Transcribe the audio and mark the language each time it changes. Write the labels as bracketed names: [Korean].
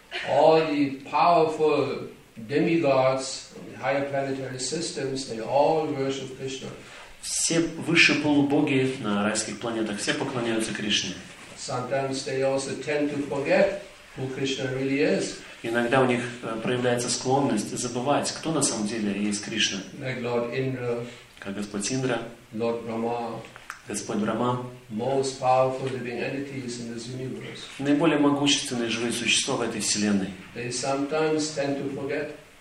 [English] All the powerful demigods of the higher planetary systems, they all worship Krishna. [Russian] Все высшие полубоги на райских планетах, все поклоняются Кришне. [English] Sometimes they also tend to forget who Krishna really is. [Russian] Иногда у них проявляется склонность забывать, кто на самом деле есть Кришна. [English] Like Lord Indra. [Russian] Как Господь Индра. [English] Lord Brahma. [Russian] Господь Брахма. [English] Most powerful living entities in this universe. [Russian] Наиболее могущественные живые существа в этой вселенной. [English] They sometimes tend to forget.